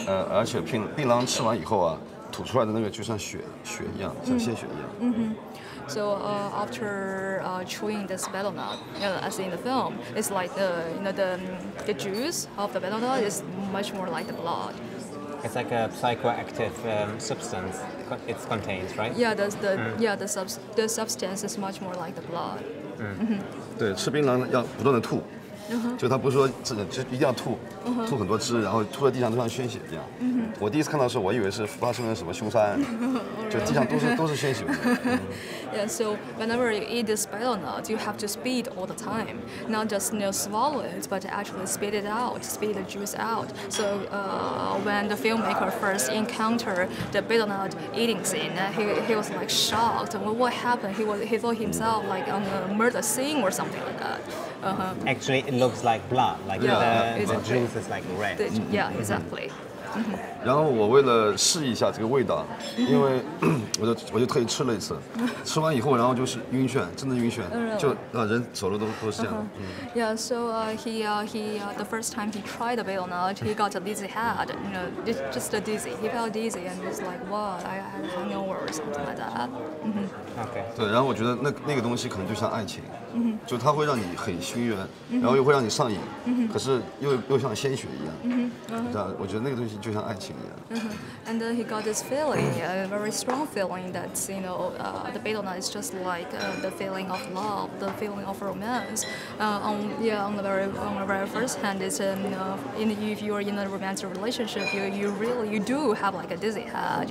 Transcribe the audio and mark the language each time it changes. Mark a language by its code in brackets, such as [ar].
[zh] 而且槟榔吃完以后啊，吐出来的那个就像血一样，像鲜血一样。嗯哼。 [en] So after chewing this betel nut, as in the film, it's like the juice of the betel nut is much more like the blood. It's like a psychoactive substance. It's contained, right? Yeah, the substance is much more like the blood. [zh] 对，吃槟榔要不断的吐，就他不是说就一定要吐，吐很多汁，然后吐在地上都像鲜血一样。我第一次看到的时候，我以为是发生了什么凶杀案，就地上都是鲜血。 [en] Yeah, so whenever you eat this betel nut, you have to spit all the time. Not just swallow it, but actually spit it out, spit the juice out. So when the filmmaker first encountered the betel nut eating scene, he was like shocked. Well, what happened? He thought himself like on a murder scene or something like that. Uh-huh. Actually, it looks like blood. Like the juice is like red. Yeah, exactly. Mm-hmm. [zh] 然后我为了试一下这个味道，因为我就特意吃了一次，吃完以后然后就是晕眩，真的晕眩，就人走路都是这样。 [en] Yeah, so he the first time he tried the betel nut, he got a dizzy head, just a dizzy. He felt dizzy and was like, "What? I had a hangover or something like that." Okay. [zh] 对，然后我觉得那个东西可能就像爱情，就它会让你很熏晕，然后又会让你上瘾，可是又像鲜血一样。我觉得那个东西就像爱情一样。 [en] And then he got this feeling, a very strong feeling that the betel nut is just like the feeling of love, the feeling of romance. On the very first hand, it's if you are in a romantic relationship, you really do have like a dizzy head.